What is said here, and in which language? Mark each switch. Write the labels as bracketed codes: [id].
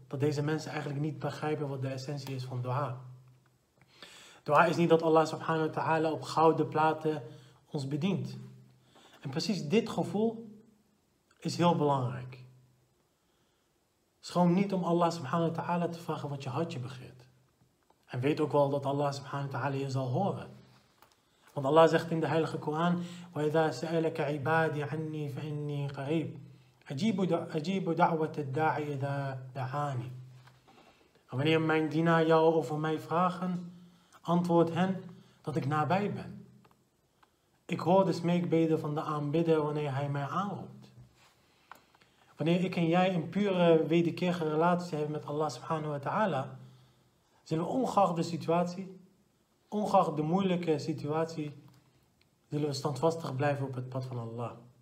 [nl] dat deze mensen eigenlijk niet begrijpen wat de essentie is van dua. Dua is niet dat Allah subhanahu wa ta'ala op gouden platen ons bedient. En precies dit gevoel is heel belangrijk. Schroom niet om Allah subhanahu wa ta'ala te vragen wat je hartje begeert. En weet ook wel dat Allah subhanahu wa ta'ala je zal horen. [ar] Want Allah zegt in de Heilige Koran: وَإِذَا سَأَلَكَ عِبَادِي عَنِّي فَإِنِّي قَرِيبٌ أَجِيبُ دَعْوَةَ الدَّاعِي إِذَا دَعَانِي. [nl] En wanneer mijn dienaar jou over mij vragen, antwoord hen dat ik nabij ben. Ik hoor de smeekbeden van de aanbidder wanneer hij mij aanroept. Wanneer ik en jij een pure wederkerige relatie hebben met Allah subhanahu wa ta'ala, zullen we ongeacht de situatie, ongeacht de moeilijke situatie, zullen we standvastig blijven op het pad van Allah.